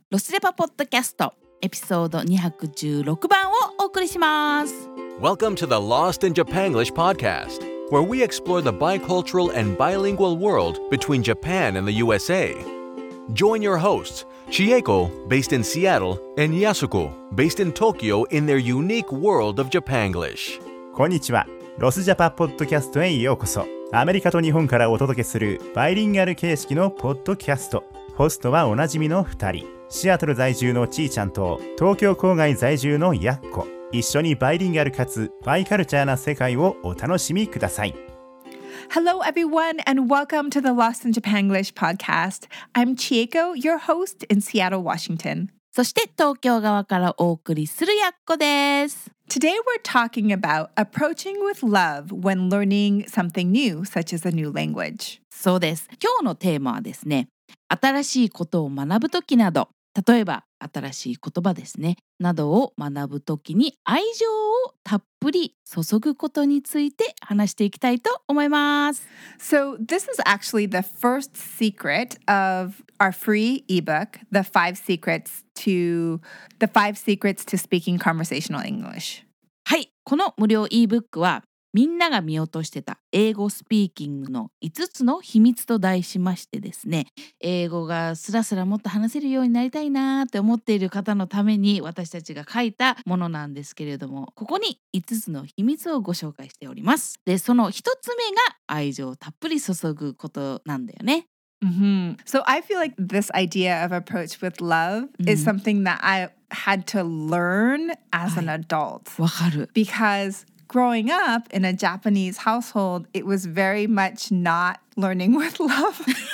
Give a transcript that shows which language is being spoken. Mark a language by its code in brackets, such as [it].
[ja] ロスレパポッドキャスト、エピソード216番をお送りします。 [en] Welcome to the Lost in Japan English podcast, where we explore the bicultural and bilingual world between Japan and the USA. Join your hosts, Chieko, based in Seattle, and Yasuko, based in Tokyo, in their unique world of Japanglish. [ja] こんにちは。ロスジャパポッドキャストへようこそ。アメリカと日本からお届けするバイリンガル形式のポッドキャスト。ホストはおなじみの2人、シアトル在住のちーちゃんと東京郊外在住のやっこ。一緒にバイリンガルかつバイカルチャーな世界をお楽しみください。 [en] Hello everyone and welcome to the Lost in Japan English podcast. I'm Chieko, your host in Seattle, Washington. [ja] そして東京側からお送りするやっこです。 [en] Today we're talking about approaching with love when learning something new, such as a new language. [ja] そうです。今日のテーマはですね、新しいことを学ぶときなど、例えば新しい言葉ですね、などを学ぶときに愛情をたっぷり注ぐことについて話していきたいと思います。 [en] So this is actually the first secret of our free ebook, The Five Secrets to Speaking Conversational English. [ja] はい、この無料 ebook はみんなが見落としてた英語スピーキングの5つの秘密と題しましてですね、英語がスラスラもっと話せるようになりたいなって思っている方のために私たちが書いたものなんですけれども、ここに5つの秘密をご紹介しております。で、その1つ目が愛情をたっぷり注ぐことなんだよね。 Mm-hmm. [en] So I feel like this idea of approach with love mm-hmm. is something that I had to learn as an adult. [ja] わかる。 [en] Because growing up in a Japanese household, it was very much not learning with love.